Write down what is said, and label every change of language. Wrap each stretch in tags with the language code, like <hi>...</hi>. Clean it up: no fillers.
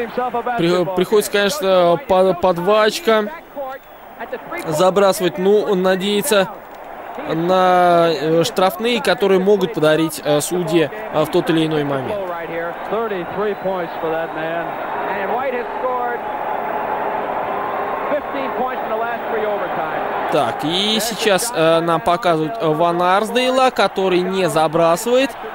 <ru>Приходится, конечно, по два очка забрасывать, ну, надеяться на штрафные, которые могут подарить судьи в тот или иной момент.</ru> <en>33 points for that man. And White has scored 15 points in the last three overtime.</en> <ru>Так, и сейчас нам показывают Ван Арсдейла, который не забрасывает.</ru>